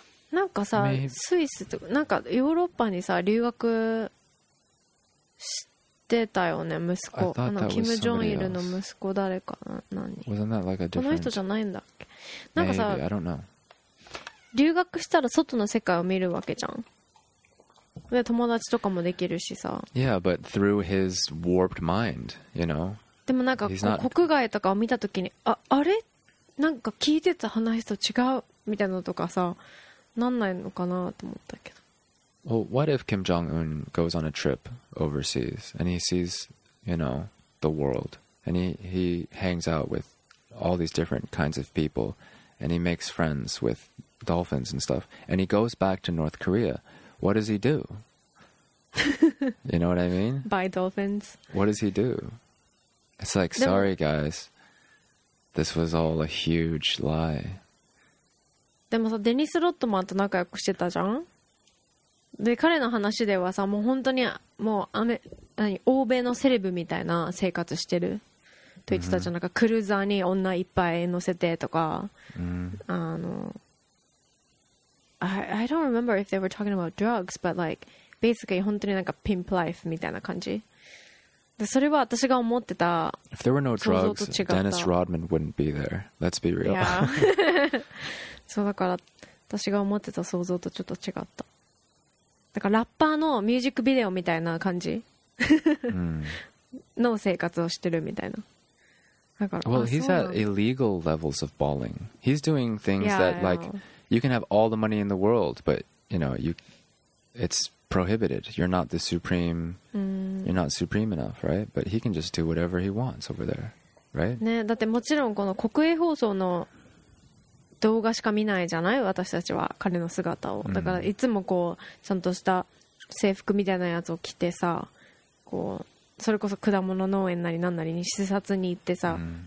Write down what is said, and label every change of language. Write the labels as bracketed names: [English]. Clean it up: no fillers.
[Japanese] なんかさ、スイスとか、なんかヨーロッパにさ、留学してたよね、息子。あの、キム・ジョンイルの息子誰かな、何 [English] ？Wasn't that like a different... [Japanese] この人じゃないんだっけ？なんかさ、 [English] Maybe. I don't know. [Japanese] 留学したら外の世界を見るわけじゃん。で、友達とかもできるしさ。 [English] Yeah, but through his warped mind, you know? [Japanese] でもなんか国外とかを見たときに あれなんか聞いてた話と違うみたいなのとかさなんないのかなと思ったけど [English] Well, what if Kim Jong-un goes on a trip overseas and he sees, you know, the world and he hangs out with all these different kinds of people and he makes friends with dolphins and stuff and he goes back to North Korea what does he do? You know what I mean? Buy dolphins What does he do? It's like, sorry guys, this was all a huge lie. [Japanese] でもさ、デニス・ロットマンと仲良くしてたじゃん。で、彼の話ではさ、もう本当にもうアメ、何、欧米のセレブみたいな生活してると言ってたじゃん。なんかクルーザーに女いっぱい乗せてとか、あの、 [English] I don't remember if they were talking about drugs, but like basically [Japanese] 本当になんかピンプライフみたいな感じ。それは私が思ってた。 [English] If there were no drugs, Dennis Rodman wouldn't be there. Let's be real. [Japanese] そうだから私が思ってた想像とちょっと違った。だからラッパーのミュージックビデオみたいな感じ、の生活をしてるみたいな。だから、 [English] well, he's at illegal levels of balling. He's doing things that like you can have all the money in the world, but you know you, it's prohibited. You're not the supreme. You're not supreme enough, right? But he can just do whatever he wants over there, right? [Japanese] ね、だってもちろんこの国営放送の動画しか見ないじゃない私たちは彼の姿を、mm-hmm. だからいつもこうちゃんとした制服みたいなやつを着てさこうそれこそ果物農園なりなんなりに視察に行ってさ、mm-hmm.